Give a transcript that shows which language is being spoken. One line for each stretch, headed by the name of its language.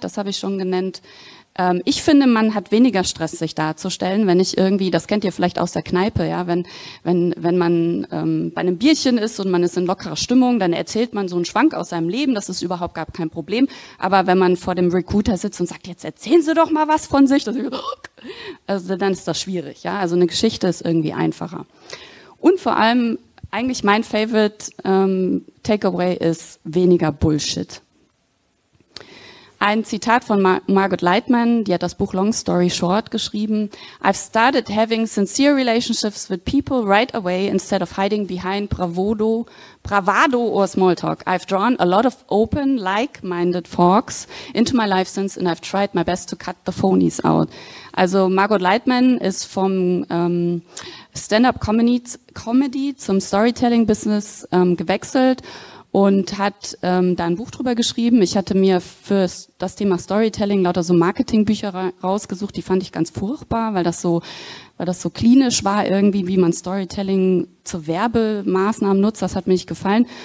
German: Das habe ich schon genannt. Ich finde, man hat weniger Stress, sich darzustellen, wenn ich irgendwie, das kennt ihr vielleicht aus der Kneipe, ja, wenn man bei einem Bierchen ist und man ist in lockerer Stimmung, dann erzählt man so einen Schwank aus seinem Leben, das ist überhaupt gar kein Problem, aber wenn man vor dem Recruiter sitzt und sagt, jetzt erzählen Sie doch mal was von sich, dann ist das schwierig, ja, also eine Geschichte ist irgendwie einfacher. Und vor allem, eigentlich mein Favorite Takeaway ist weniger Bullshit. Ein Zitat von Margot Leitman, die hat das Buch Long Story Short geschrieben.
English: I've started having sincere relationships with people right away instead of hiding behind bravado or small talk. I've drawn a lot of open, like-minded folks into my life since and I've tried my best to cut the phonies out.
German: Also Margot Leitman ist vom Stand-up Comedy zum Storytelling Business gewechselt. Und hat da ein Buch drüber geschrieben. Ich hatte mir für das Thema Storytelling lauter so Marketingbücher rausgesucht. Die fand ich ganz furchtbar, weil das so klinisch war irgendwie, wie man Storytelling zu Werbemaßnahmen nutzt. Das hat mir nicht gefallen.